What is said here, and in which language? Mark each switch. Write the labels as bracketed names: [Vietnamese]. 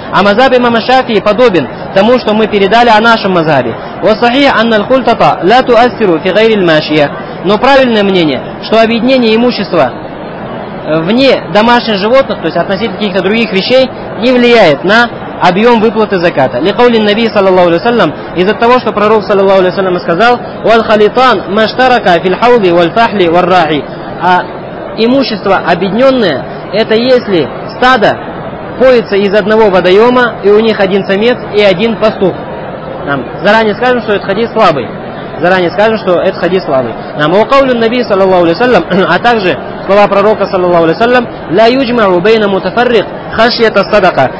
[Russian] А мазаб имама Шафии подобен тому, что мы передали о нашем мазабе. [Arabic] وَصَحِيَ أَنَّ الْخُلْطَةَ لَا تُؤَثِّرُ فِي غَيْرِ الْمَاشِيَةِ. [Russian] Но правильное мнение, что объединение имущества вне домашних животных, то есть относительно каких-то других вещей, не влияет на объем выплаты заката. [Arabic] لِقَوْلِ النَّبِي صَلَى اللَّهُ عَلَيْهِ وَسَلَّمَ. [Russian] Из-за того, что пророк صلى الله عليه وسلم сказал: [Arabic] وَالْخَلِطَانْ مَشْتَرَكَ فِي الْحَوْضِ وَالْفَحْلِ وَالرَّاعِ. [Russian] А имущество объединенное, это если стадо поется из одного водоема, и у них один самец и один пастух. Нам заранее скажем, что этот хадис слабый. [Arabic] Нам укаулю Наби саллаллаху алейхи ва саллям, [Russian] а также слова пророка саллаллаху алейхи ва саллям: [Arabic] ля юджмау байна мутафаррих хашьята садака.